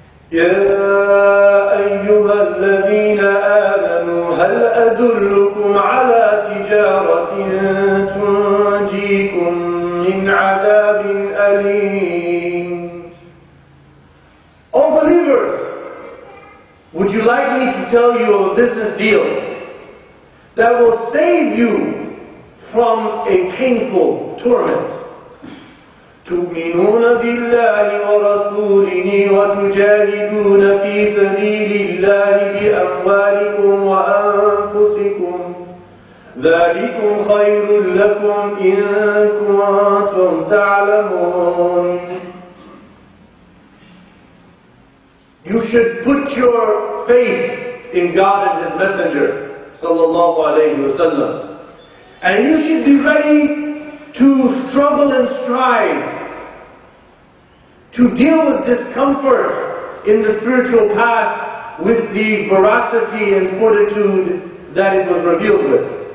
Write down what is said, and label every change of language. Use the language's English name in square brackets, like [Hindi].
[Arabic] يَا أَيُّهَا الَّذِينَ آمَنُوا هَلْ أَدُلُّكُمْ عَلَى تِجَارَةٍ تُنْجِيكُمْ مِنْ عَذَابٍ أَلِيمٍ. [English] All believers, would you like me to tell you a business deal that will save you from a painful torment? [Arabic] تؤمنون بالله ورسوله وتجاهدون في سبيل الله بأموالكم وأنفسكم ذلكم خير لكم إن كنتم تعلمون. [English] You should put your faith in God and His Messenger [Arabic] صلى الله عليه وسلم, [English] and you should be ready to struggle and strive to deal with discomfort in the spiritual path with the veracity and fortitude that it was revealed with.